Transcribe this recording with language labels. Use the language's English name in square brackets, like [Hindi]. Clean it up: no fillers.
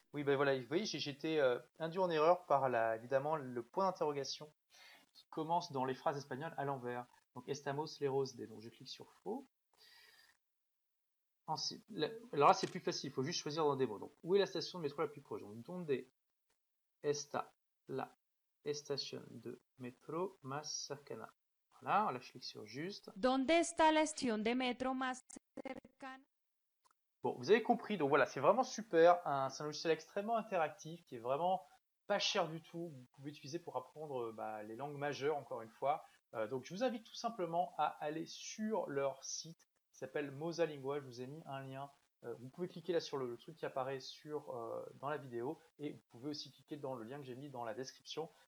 [French] Oui, ben bah, voilà, vous voyez, j'étais induit en erreur par évidemment, le point d'interrogation qui commence dans les phrases espagnoles à l'envers. Donc, [Spanish] Estamos lejos de. [French] Donc, je clique sur faux. Alors là, c'est plus facile, il faut juste choisir dans des mots. Donc, où est la station de métro la plus proche? [Spanish] Donc, donde está la estación de métro más cercana? [French] Voilà, là, je clique sur juste. [Spanish] ¿Dónde está la estación de metro más cercana? [French] Bon, vous avez compris, donc voilà, c'est vraiment super. C'est un logiciel extrêmement interactif qui est vraiment pas cher du tout. Vous pouvez l'utiliser pour apprendre bah, les langues majeures, encore une fois. Donc, je vous invite tout simplement à aller sur leur site. S'appelle MosaLingua, je vous ai mis un lien. Vous pouvez cliquer là sur le truc qui apparaît dans la vidéo et vous pouvez aussi cliquer dans le lien que j'ai mis dans la description.